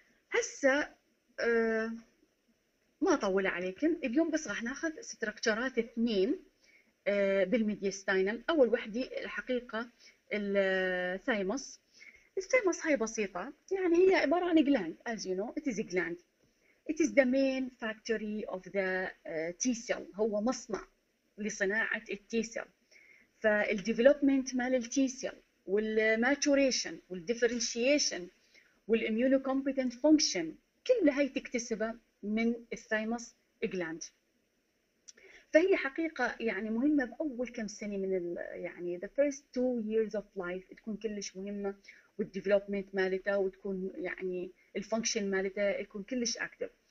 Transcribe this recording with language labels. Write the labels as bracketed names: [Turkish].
[Arabic] هسه ما اطول عليكم، اليوم بس راح ناخذ ستراكشرات اثنين بالميديستاينال. اول وحده الحقيقه الثايموس. الثايموس هاي بسيطه، يعني هي عباره عن جلاند، [English] as you know it is a gland. It is the main factory of the T cell، [Arabic] هو مصنع لصناعه التي سيل. فالديفلوبمنت مال التي سيل والماتوريشن والديفرنشيشن والاميونو كومبتنت فانكشن كل هاي تكتسبها من الثايموس جلاند. فهي حقيقه يعني مهمه باول كم سنه من يعني [English] the first two years of life، [Arabic] تكون كلش مهمه، والديفلوبمنت مالتها وتكون يعني الفانكشن مالتها يكون كلش اكتف.